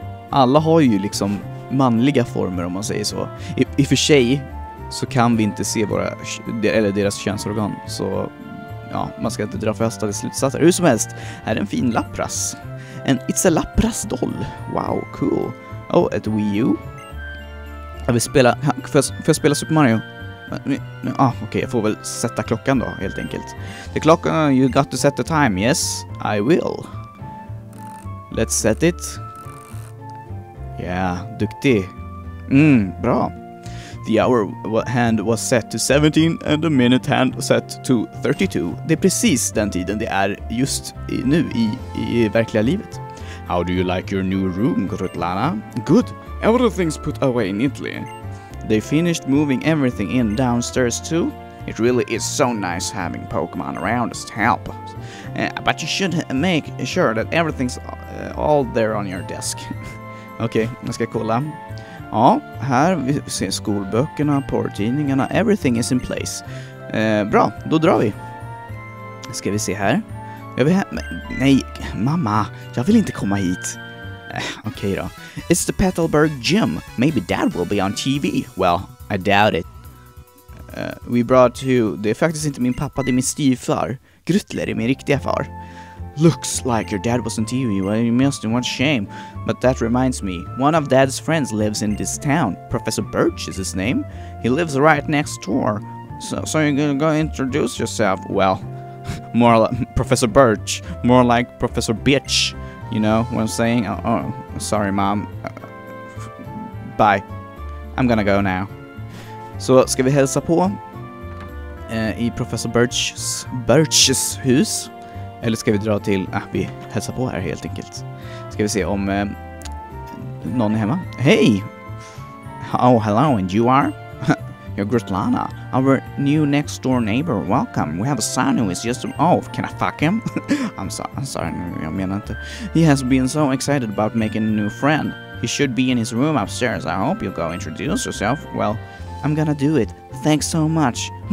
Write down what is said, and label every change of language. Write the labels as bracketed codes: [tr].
[sv] Alla har ju liksom manliga former om man säger så. I för sig så kan vi inte se våra eller deras könsorgan, så ja, man ska inte dra förhastade slutsatser. Hur som helst, här är en fin Lapras. En [en] It's a Lapras doll. Wow, cool. [sv] Oh, ett Wii U. Jag vill spela, får jag spela Super Mario? Ah, okej, jag får väl sätta klockan då, helt enkelt. [en] The clock, you got to set the time, yes? I will. Let's set it. Yeah, [sv] duktig. Mm, bra. [en] The hour hand was set to 17 and the minute hand set to 32. [sv] Det är precis den tiden det är just nu i verkliga livet. [en] How do you like your new room, Grutlana? Good. Everything's put away neatly. They finished moving everything in downstairs too. It really is so nice having Pokemon around us to help. But you should make sure that everything's all there on your desk. [sv] Okej, okay, jag ska kolla. Ja, här ser skolböckerna, porttidningarna, [en] everything is in place. [sv] Bra, då drar vi. Ska vi se här. Jag vill nej, mamma, jag vill inte komma hit. Okej då. [en] It's the Petalburg gym. Maybe dad will be on TV. Well, I doubt it. We brought to... [sv] Det är faktiskt inte min pappa, det är min styvfar. Grutler är min riktiga far. [en] Looks like your dad was on TV. Well, you must have, what a shame. But that reminds me. One of dad's friends lives in this town. Professor Birch is his name. He lives right next door. So you're gonna go introduce yourself? Well, more like Professor Birch. More like Professor Bitch. You know what I'm saying? Oh, sorry mom. Bye. I'm gonna go now. [sv] Så ska vi hälsa på i Professor Birch's hus? Eller ska vi dra till... vi hälsar på här helt enkelt. Ska vi se om någon är hemma? Hej! [en] Oh, hello, and you are? You're Grutlana, our new next door neighbor. Welcome. We have a son who is just... Oh, can I fuck him? I'm sorry, [sv] jag menar inte. [en] He has been so excited about making a new friend. He should be in his room upstairs. I hope you'll go introduce yourself. Well, I'm gonna do it. Thanks so much.